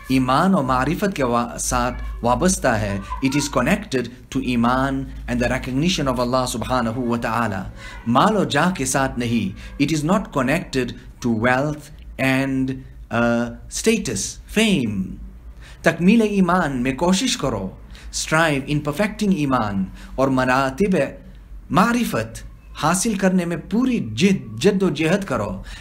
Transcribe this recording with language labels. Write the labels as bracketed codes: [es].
[ur] ایمان اور معرفت کے ساتھ وابستہ ہے. [en] It is connected to ایمان and the recognition of Allah سبحانہ وتعالی. [ur] مال اور جاہ کے ساتھ نہیں. [en] It is not connected to wealth and status, fame. [ur] تکمیل ایمان میں کوشش کرو. [en] Strive in perfecting ایمان. [ur] اور مراتب معرفت حاصل کرنے میں پوری جد و جہد کرو.